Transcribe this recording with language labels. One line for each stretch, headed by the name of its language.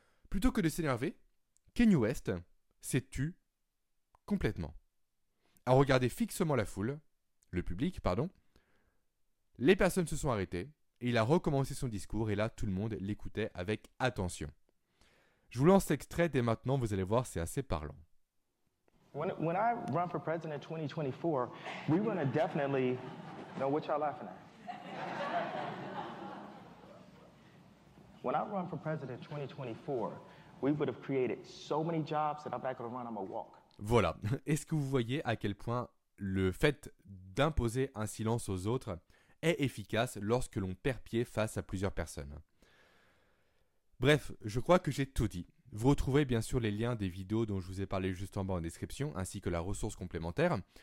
French: Plutôt que de s'énerver, Kanye West s'est tu complètement. A regardé fixement la foule, le public, pardon, les personnes se sont arrêtées, et il a recommencé son discours, et là, tout le monde l'écoutait avec attention. Je vous lance l'extrait dès maintenant, vous allez voir, c'est assez parlant.
English: When I run for president in 2024, we're going to definitely know what y'all laughing at. When I run for president in 2024, we would have created so many jobs that I'm not going to run, I'm going to walk.
French: Voilà. Est-ce que vous voyez à quel point le fait d'imposer un silence aux autres est efficace lorsque l'on perd pied face à plusieurs personnes? Bref, je crois que j'ai tout dit. Vous retrouverez bien sûr les liens des vidéos dont je vous ai parlé juste en bas en description, ainsi que la ressource complémentaire.